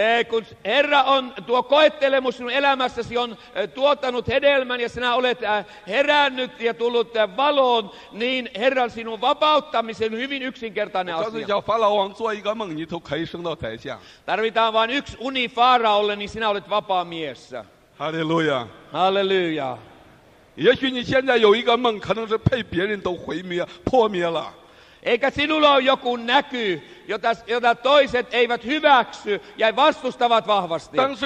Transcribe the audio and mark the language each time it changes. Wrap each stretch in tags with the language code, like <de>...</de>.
<fi>Kun Herra on tuo koettelemus sinun elämässäsi on tuottanut hedelmän ja sinä olet herännyt ja tullut valoon, niin Herran sinun vapauttamisen hyvin yksinkertainen asia. Tarvitaan vain yksi uni faaraolle, niin sinä olet vapaa mies. Halleluja. Halleluja.</fi> <zh>也许你现在有一个梦，可能是被别人都毁灭、破灭了。</zh> <fi>Eikä sinulla ole joku näky, jota toiset eivät hyväksy ja vastustavat vahvasti.</fi>